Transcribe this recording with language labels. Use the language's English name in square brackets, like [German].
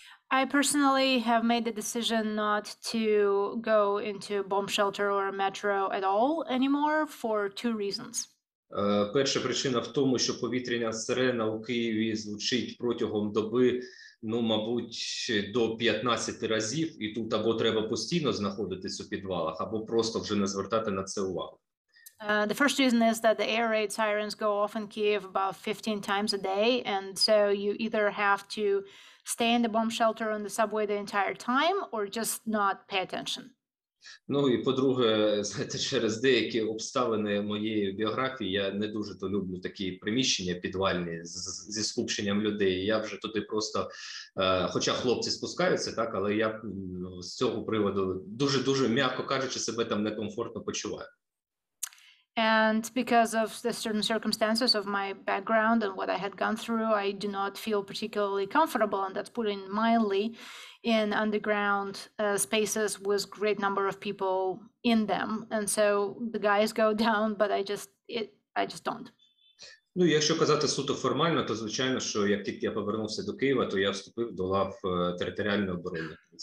[English] I personally have made the decision not to go into a bomb shelter or a metro at all anymore for two reasons. [Ukrainian] Перша причина в тому, що повітряна сирена у Києві звучить протягом доби, ну, мабуть, до 15 разів, і тут або треба постійно знаходитись у підвалах, або просто вже не звертати на це увагу. [English] The first reason is that the air raid sirens go off in Kyiv about 15 times a day, and so you either have to stay in the bomb shelter on the subway the entire time, or just not pay attention. [Ukrainian] Ну, і по-друге, знаєте, через деякі обставини моєї біографії, я не дуже то люблю такі приміщення підвальні зі скупченням людей. Я вже туди просто, хоча хлопці спускаються, так, але я з цього приводу дуже-дуже, м'яко кажучи, себе там некомфортно почуваю. [English] And because of the certain circumstances of my background and what I had gone through, I do not feel particularly comfortable, and that's putting mildly, in underground spaces with great number of people in them. And so the guys go down, but I just don't. [Ukrainian] Ну, якщо казати суто формально, то звичайно, що як тільки я повернувся до Києва, то я вступив до лав територіальної оборони.